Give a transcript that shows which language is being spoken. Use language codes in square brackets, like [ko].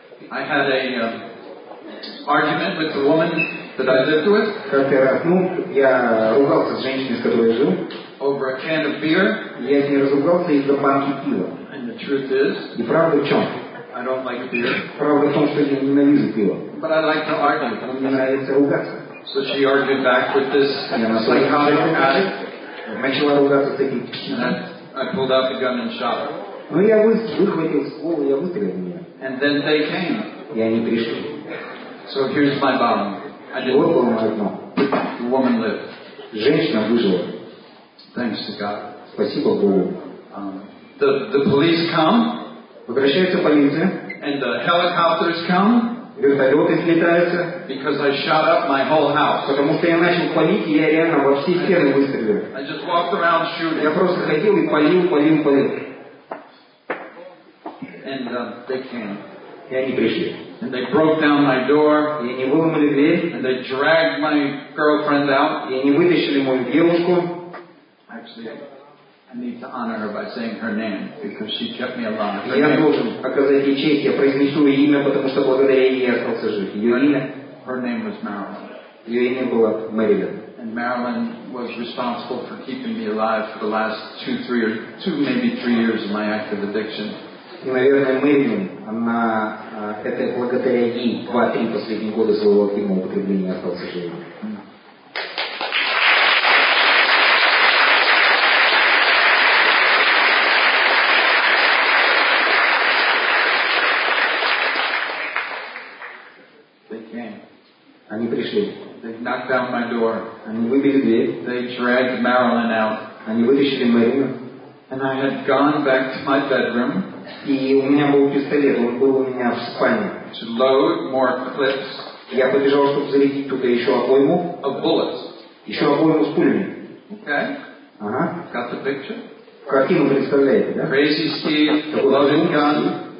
[en] I had an argument with the woman that I lived with. [ru] Как-то раз, я ругался с женщиной, с которой я жил. [en] Over a can of beer. [ru] Я с ней разругался из-за банки пива. [en] And the truth is. [ru] И правда в чем? [en] I don't like beer. [ru] Правда в том, что я ненавижу пиво. [en] But I like to argue. [ru] Мне нравится ругаться. [en] So she argued back with this psychotic addict. [ru] Начала ругаться с таким психом. [en] And I pulled out the gun and shot her. [ru] Ну я выхватил ствол, я выстрелил ее. [en] And then they came. [ru] И они пришли. [en] So here's my bottom. I didn't. [ru] Вот было мое дно. [en] The woman lived. [ru] Женщина выжила. [en] Thanks to God. [ru] Спасибо Богу. [en] The police come. [ru] Возвращается полиция. [en] And the helicopters come. [ru] Вертолеты слетаются. [en] Because I shot up my whole house. [ru] Потому что я начал палить, и я реально во все стены выстрелил. [en] I just walked around shooting. [ru] Я просто ходил и палил, палил, палил. [en] And they came. [ru] И они пришли. [en] And they broke down my door. [ru] И они выломали дверь. [en] And they dragged my girlfriend out. [ru] И они вытащили мою девушку. [en] Actually, I need to honor her by saying her name because she kept me alive. [ru] Я должен оказать ей честь. Я произнесу ее имя, потому что благодаря ей я остался жив. Ее имя. [en] Her name was Marilyn. [ru] Ее имя было Marilyn. [en] And Marilyn was responsible for keeping me alive for the last two, maybe three years of my active addiction. [ru] И, наверное, Marilyn, она это благодаря ей 2-3 последних года своего активного употребления остался жив. Они пришли. [en] They knocked down my door. [ru] Они выбили дверь. [en] They dragged Marilyn out. [ru] Они вытащили Marilyn. [en] And I had gone back to my bedroom. [ru] И у меня был пистолет, он был у меня в спальне. [en] To load more clips. [ru] Я побежал, чтобы зарядить туда еще обойму. [en] Of bullets. [ru] Еще обойму с пулями. [en] Okay. [ru] Ага. [en] Got the picture? [ru] Картину представляете, да? [en] Crazy Steve, loaded gun.